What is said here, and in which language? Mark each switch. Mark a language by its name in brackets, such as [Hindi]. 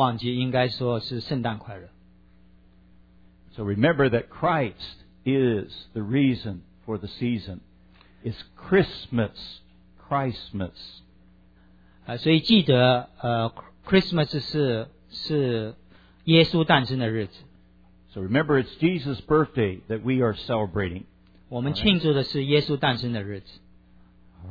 [Chinese] 所以有些人也许会说是节日快乐，但是我们都不要忘记应该说是圣诞快乐。 [English] So remember that Christ is the reason for the season. It's Christmas, Christmas. [Chinese] 所以记得，Christmas是耶稣诞生的日子。 [English] So remember, it's Jesus' birthday that we are celebrating. [Chinese] 我们庆祝的是耶稣诞生的日子。 [English] All